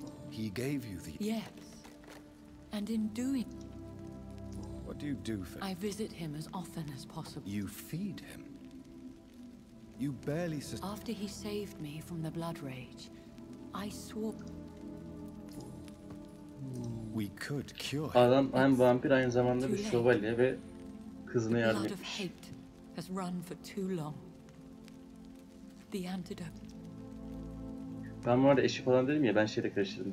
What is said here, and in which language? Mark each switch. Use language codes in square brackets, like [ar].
[en] He gave you the... Yes. And in doing... What do you do for... I visit him as often as possible. You feed him? You barely... After he saved me from the blood rage... I swore. We could cure. [tr] Adam hem vampir aynı zamanda bir şövalye ve kızına yardım etmiş. [en] The blood of hate has run for too long. The antidote. [tr] Ben bu arada eşi falan dedim ya, ben şeyle karıştırdım.